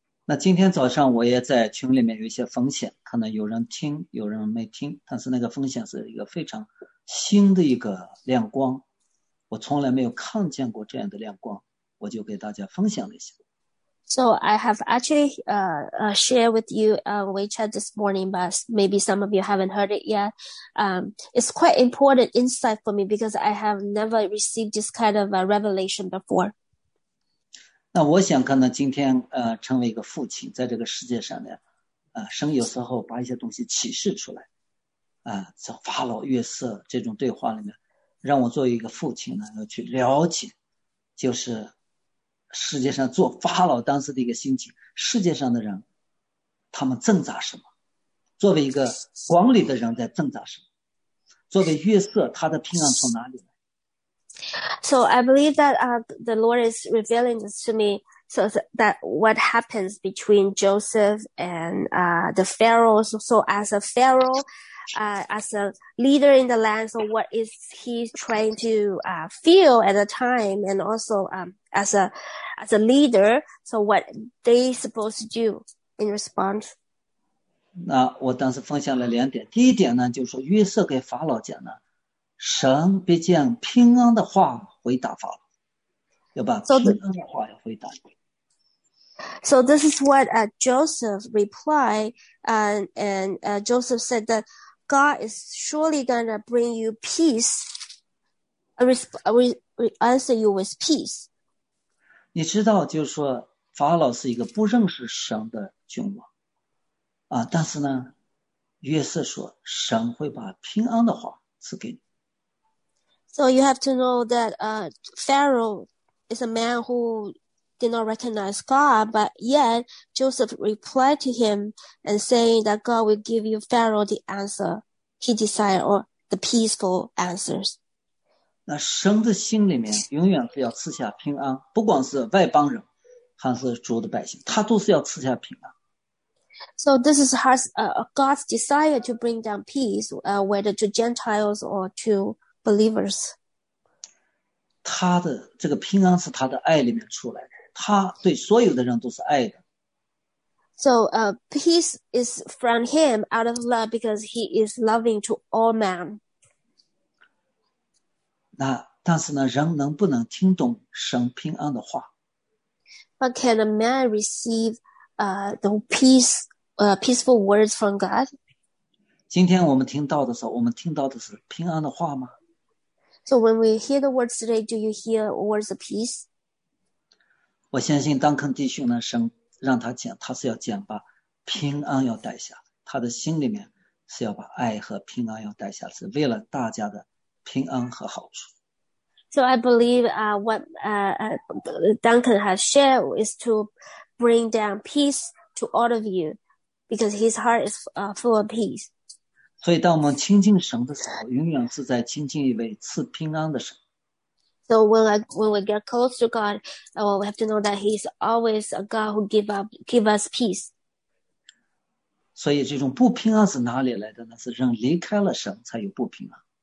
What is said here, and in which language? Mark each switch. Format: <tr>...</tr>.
<zh>那今天早上我也在群里面有一些分享，可能有人听，有人没听，但是那个分享是一个非常新的一个亮光。我从来没有看见过这样的亮光，我就给大家分享了一下。</zh> <en>So I have actually shared with you WeChat this morning, but maybe some of you haven't heard it yet. It's quite important insight for me because I have never received this kind of a revelation before.</en> <zh>那我想可能今天成为一个父亲，在这个世界上呢，神有时候把一些东西启示出来，像法老、约瑟这种对话里面。让我作为一个父亲呢，要去了解，就是世界上做法老当时的一个心情，世界上的人，他们挣扎什么？作为一个管理的人在挣扎什么？作为约瑟，他的平安从哪里来</zh> <en>？So I believe that the Lord is revealing this to me, so that what happens between Joseph and the Pharaoh. So as a Pharaoh. As a leader in the land, so what is he trying to feel at the time, and also as a leader, so what they supposed to do in response?</en> <zh>那我当时分享了两点。第一点呢，就是说约瑟给法老讲呢，神必将平安的话回答法老，要把平安的话要回答你。</zh> <en>So this is what Joseph replied, and Joseph said that. God is surely going to bring you peace, answer you with peace.</en> <zh>你知道就是说法老是一个不认识神的君王、但是呢约瑟说神会把平安的话赐给你。</zh> <en>So you have to know that Pharaoh is a man who did not recognize God, but yet Joseph replied to him and saying that God will give you Pharaoh the answer. He desired or the peaceful answers.</en> <zh>那神的心里面永远是要赐下平安，不管是外邦人还是主的百姓，他都是要赐下平安。</zh> <en>So this is God's desire to bring down peace, whether to Gentiles or to believers.</en> <zh>他的这个平安是他的爱里面出来的，他对所有的人都是爱的。</zh> <en>So peace is from him out of love because he is loving to all men.</en> <zh>那但是呢，人能不能听懂神平安的话</zh> <en>？But can a man receive the peaceful words from God?</en> <zh>今天我们听到的时候，我们听到的是平安的话吗</zh> <en>？So when we hear the words today, do you hear words of peace?</en> <zh>我相信当肯弟兄呢，神。让他讲，他是要讲把平安要带下，他的心里面是要把爱和平安要带下，是为了大家的平安和好处。</zh> <en>So I believe what Duncan has shared is to bring down peace to all of you, because his heart is full of peace.</en> <zh>所以，当我们亲近神的时候，永远是在亲近一位赐平安的神。</zh> <en>So when we get close to God, we have to know that He's always a God who give us peace.</en> <zh>所以这种不平安是哪里来的呢？是人离开了神才有不平安。</zh>